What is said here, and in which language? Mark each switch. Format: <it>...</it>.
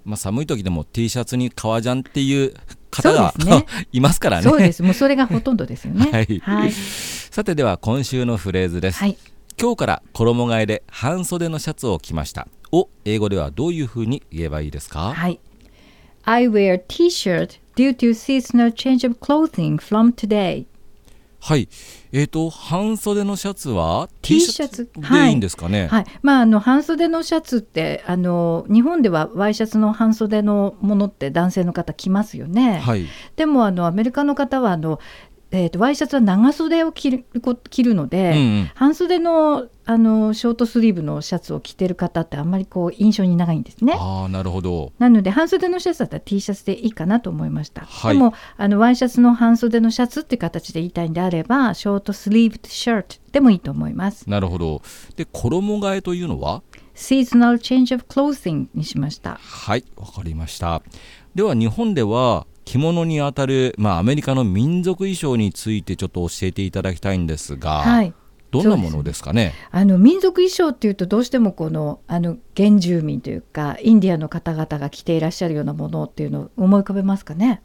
<ja>まあ、寒い時でも T シャツに革ジャンっていう方が、ね、いますからね。そうです。もうそれがほとんどですよね。はい、はい、さて、では今週のフレーズです。はい、今日から衣替えで半袖のシャツを着ましたを英語ではどういうふうに言えばいいですか。はい、</ja> <en>I wear T-shirt due to seasonal change of clothing from today。</en> <ja>はい、半袖のシャツは T シャツでいいんですかね。はい、はい、まあ、あの半袖のシャツってあの日本ではワイシャツの半袖のものって男性の方着ますよね。はい、でもあのアメリカの方はあのワイシャツは長袖を着るので、半袖 の、 あのショートスリーブのシャツを着てる方ってあんまりこう印象に長いんですね。あ、なるほど。なので半袖のシャツだったら T シャツでいいかなと思いました。はい、でもあのワイシャツの半袖のシャツって形で言いたいんであればショートスリーブシャツでもいいと思います。なるほど。で、衣替えというのは</ja> <en>Seasonal change of clothing</en> <ja>にしました。はい、わかりました。では日本では着物にあたる、まあ、アメリカの民族衣装についてちょっと教えていただきたいんですが、はい、どんなものですかね。あの民族衣装っていうとどうしてもこの、 あの原住民というかインディアンの方々が着ていらっしゃるようなものっていうのを思い浮かべますかね。</ja>